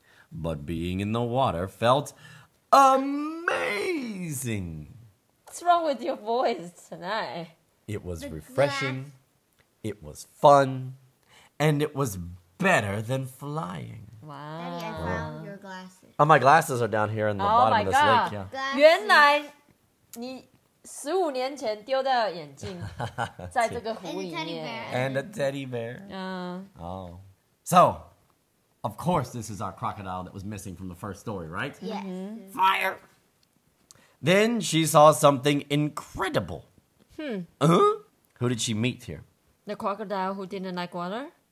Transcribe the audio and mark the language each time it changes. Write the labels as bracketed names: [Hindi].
[English] But being in the water felt amazing. What's wrong with your voice tonight? It was refreshing. It was fun. And it was beautiful. Better than flying. Wow. Daddy, I found your glasses. Oh, my glasses are down here in the bottom of this lake. Yeah. [Chinese] 原来你15年前丢掉的眼镜在这个湖里面。 [English] And a teddy bear. Oh. So, of course, this is our crocodile that was missing from the first story, right? Yes. Mm-hmm. Fire! Then she saw something incredible. Who did she meet here? The crocodile who didn't like water?